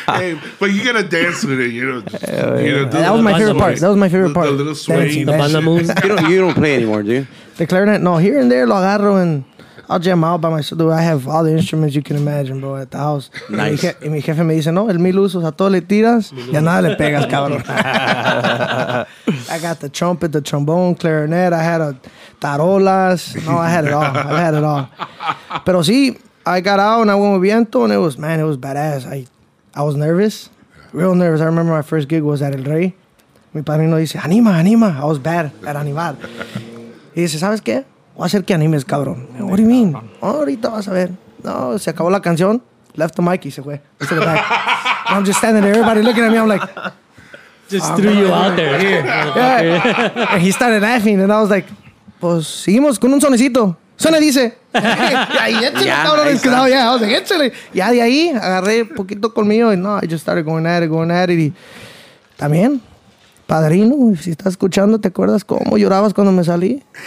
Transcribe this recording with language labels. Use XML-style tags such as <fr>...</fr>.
<en>Hey, but you gotta dance with it, you know. That was my favorite part. That was my favorite part. The little swing. The banda moves. You don't play anymore, do you? The clarinet? No, here and there,</en> <es>lo agarro</es> <en>and I'll jam out by myself. Dude, I have all the instruments you can imagine, bro, at the house. Nice.</en> <es>Y mi jefe me dice, no, el mil usos a todo le tiras, y a nada le pegas, cabrón.</es> <en>I got the trumpet, the trombone, clarinet. I had a tarolas. No, I had it all.</en> <es>Pero sí,</es> <en>I got out and I went with Viento, and it was badass. I was nervous, real nervous. I remember my first gig was at El Rey.</en> <es>Mi padrino dice, anima.</es> <en>I was bad at animar. He says,</en> <es>¿sabes qué? Voy a hacer que animes, cabrón.</es> <en>What do you mean?</en> <es>Ahorita vas a ver. No, se acabó la canción.</es> <en>Left the mic</en> <es>y se fue.</es> <en>To the back. And I'm just standing there. Everybody looking at me. I'm like. Just threw you out there. Here. Yeah. And he started laughing. And I was like,</en> <es>pues, seguimos con un sonecito. Suena, dice.</es> <en>Yeah, I was like,</en> <es>échale. Ya de ahí, agarré poquito conmigo.</es> <en>And no, I just started going at it.</en> <es>Y también. Padrino, si estás escuchando, ¿te acuerdas cómo llorabas cuando me salí?</es>